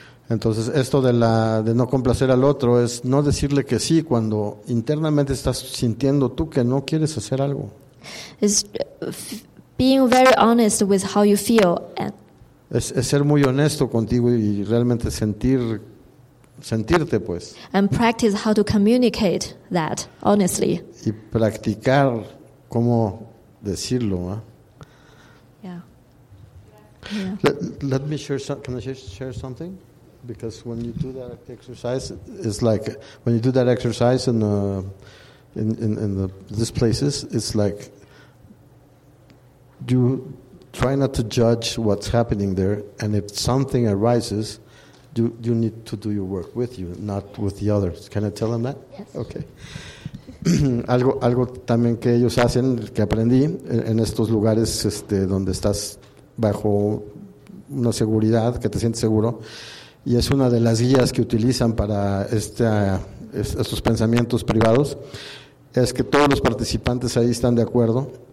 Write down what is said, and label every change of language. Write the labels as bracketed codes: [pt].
[es] Entonces esto de la de no complacer al otro es no decirle que sí cuando internamente estás sintiendo tú que no quieres hacer algo. [en] It's being very honest with how you feel. [es] Es ser muy honesto contigo y realmente sentirte pues. [en] And practice how to communicate that honestly. [es] Y practicar cómo decirlo, ¿eh? [en] Yeah. Yeah. Let me share some, can I share something? Because when you do that exercise, it's like when you do that exercise in these places, it's like you try not to judge what's happening there, and if something arises, you need to do your work with you, not with the others. Can I tell them that? Yes. Okay. [es] algo también que ellos hacen, que aprendí en estos lugares, donde estás bajo una seguridad, que te sientes seguro. Y es una de las guías que utilizan para estos pensamientos privados, es que todos los participantes ahí están de acuerdo.